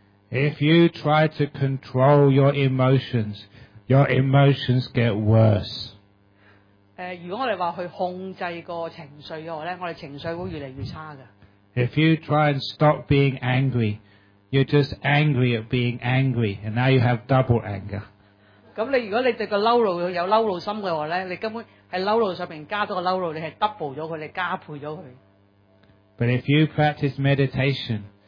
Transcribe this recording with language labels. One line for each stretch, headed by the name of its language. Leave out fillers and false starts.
English: If you try to control your emotions get worse.
Cantonese: 如果我哋话去控制个情绪嘅话咧，我哋情绪会越嚟越差嘅。
English: If you try and stop being angry, you're just angry at being angry, and now you have double anger.
Cantonese: 咁你如果你对个嬲怒有嬲怒心嘅话咧，你根本喺嬲怒上面加多个嬲怒，你系 double 咗佢，你加倍咗佢。
English: But if you practice meditation,